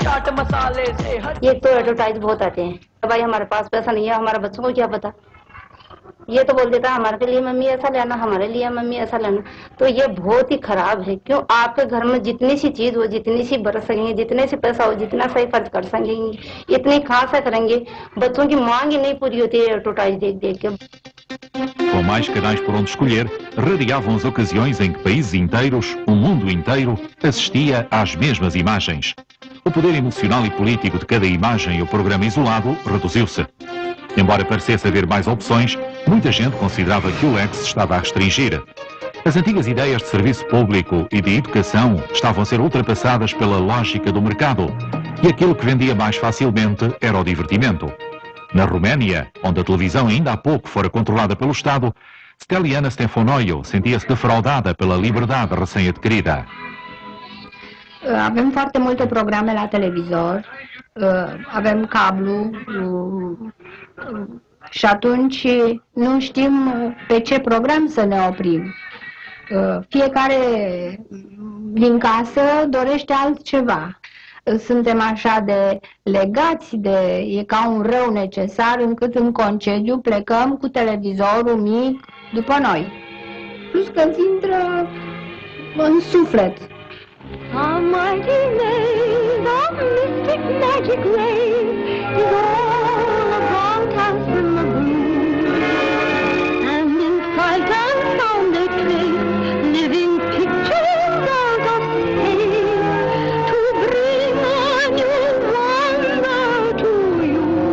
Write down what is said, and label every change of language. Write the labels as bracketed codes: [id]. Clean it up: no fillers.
[hi] ये तो एडवर्टाइज बहुत आते हैं भाई हमारे पास पैसा नहीं है हमारा बच्चों को क्या पता ये तो बोल देता हमारे लिए मम्मी ऐसा लेना हमारे लिए मम्मी ऐसा लेना तो ये बहुत ही खराब है क्यों आपके घर में जितनी सी चीज हो जितनी सी बरस सकेंगे जितने से पैसा हो जितना सही खर्च कर सकेंगे इतने कहां से करेंगे बच्चों की मांग ही नहीं पूरी होती है एडवर्टाइज देख देख के [pt] Com mais canais por onde escolher, radiavam as ocasiões em que países inteiros, o mundo inteiro, assistia às mesmas imagens. O poder emocional e político de cada imagem e o programa isolado reduziu-se. Embora parecesse haver mais opções, muita gente considerava que o leque estava a restringir. As antigas ideias de serviço público e de educação estavam a ser ultrapassadas pela lógica do mercado, e aquilo que vendia mais facilmente era o divertimento. Na Roménia, onde a televisão ainda há pouco fora controlada pelo Estado, Steliana Stefanoiu sentia-se defraudada pela liberdade recém-adquirida. [ro] Avem foarte multe programe la televizor, avem cablu și atunci nu știm pe ce program să ne oprim. Fiecare din casă dorește altceva. Suntem așa de legați, de, e ca un rău necesar, încât în concediu plecăm cu televizorul mic după noi. Plus că îți intră în suflet. [en] A mighty name, the mystic magic way, is all about us from the blue. And in sight and sound they trace, living pictures of us pay, to bring a new wonder to you.